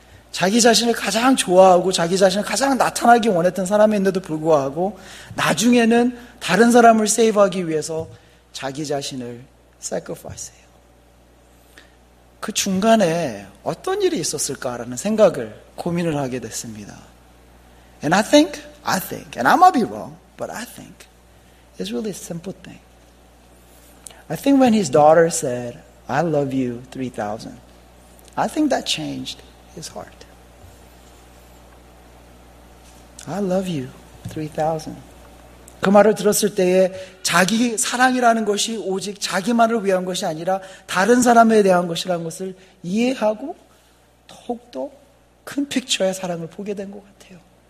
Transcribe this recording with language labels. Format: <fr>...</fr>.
<ko>자기 자신을 가장 좋아하고 자기 자신을 가장 나타나기 원했던 사람인데도 불구하고 나중에는 다른 사람을 세이브하기 위해서 자기 자신을 sacrifice해요. 그 중간에 어떤 일이 있었을까라는 생각을 고민을 하게 됐습니다.</ko> <en>And I think, and I might be wrong, but I think it's really a simple thing. I think when his daughter said, I love you 3,000, I think that changed his heart. I love you 3,000.</en> <ko>그 말을 들었을 때에 자기 사랑이라는 것이 오직 자기만을 위한 것이 아니라 다른 사람에 대한 것이라는 것을 이해하고 더욱더 큰 픽처의 사랑을 보게 된 것 같아요.</ko>